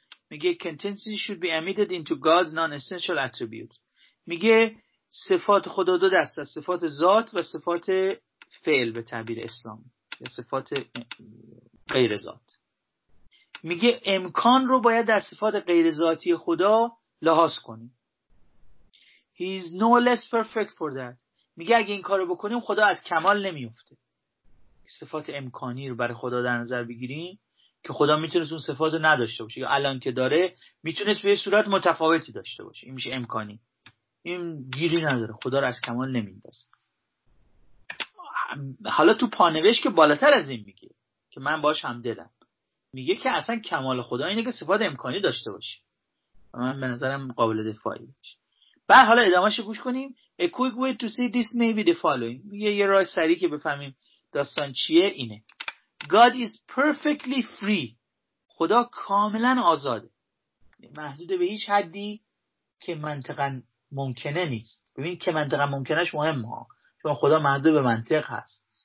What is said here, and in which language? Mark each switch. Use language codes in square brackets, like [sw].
[fa] میگه [en] contention should be admitted into God's non-essential attributes. [fa] میگه صفات خدا دو دست است، صفات ذات و صفات فعل به تعبیر اسلام یا صفات غیر ذات. میگه امکان رو باید در صفات غیر ذاتی خدا لحاظ کنیم. [en] He is no less perfect for that. [fa] میگه اگه این کارو بکنیم خدا از کمال نمیفته. صفات امکانی رو برای خدا در نظر بگیریم که خدا میتونست اون صفات رو نداشته باشه، یا الان که داره میتونست به یه صورت متفاوتی داشته باشه. این میشه امکانی. این گیری نداره. خدا رو از کمال نمیندازه. حالا تو پانوش که بالاتر از این میگه که من باش هم دلم. میگه که اصلا کمال خدا اینه که صفات امکانی داشته باشه. من به نظرم قابل دفاعی باشه. بعد حالا ادامهش رو گوش کنیم. [en] A quick way to see this may be the following. [fa] میگه یه راه سریع که بفهمیم داستان چیه اینه. [en] God is perfectly free. [fa] خدا کاملا آزاده. محدود به هیچ حدی که منطقا ممکنه نیست. ببین که منطقا ممکنش مهم ها. چون خدا محدود به منطق هست.